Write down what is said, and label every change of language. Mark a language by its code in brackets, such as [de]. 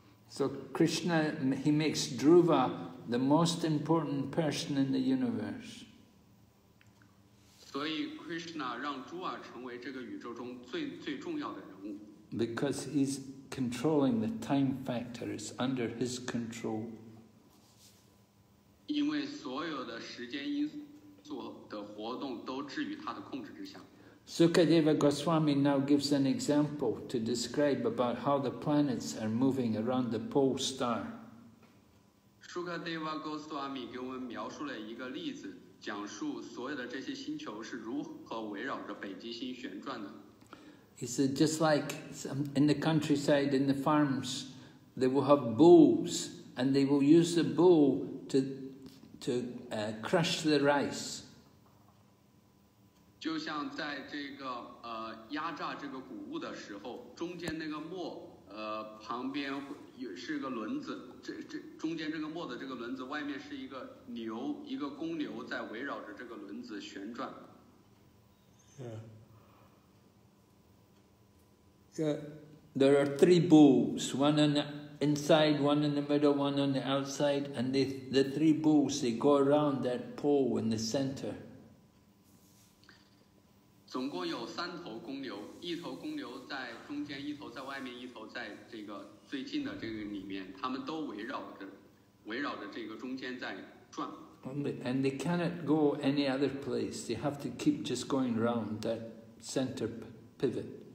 [en] So Krishna, he makes Dhruva the most important person in the universe. [zh] 所以 Krishna 让 Dhruva 成为这个宇宙中最重要的人物。 [en] Because he's controlling the time factor, it's under his control. [zh] 因为所有的时间因素的活动都置于他的控制之下。 [en] Sukadeva Goswami now gives an example to describe about how the planets are moving around the pole star. [zh] Sukadeva Goswami 给我们描述了一个例子，讲述所有的这些星球是如何围绕着北极星旋转的。 [en] He said, just like in the countryside, in the farms, they will have bulls, and they will use the bull to crush the rice. [zh] 就像在这个压榨这个谷物的时候，中间那个磨旁边也是个轮子，这中间这个磨的这个轮子外面是一个牛，一个公牛在围绕着这个轮子旋转。 [en] Yeah. There are three bulls, one on the inside, one in the middle, one on the outside, and the three bulls they go around that pole in the center. [zh] 总共有三头公牛，一头公牛在中间，一头在外面，一头在这个最近的这个里面，他们都围绕着这个中间在转。 [en] And they cannot go any other place. They have to keep just going around that center pivot.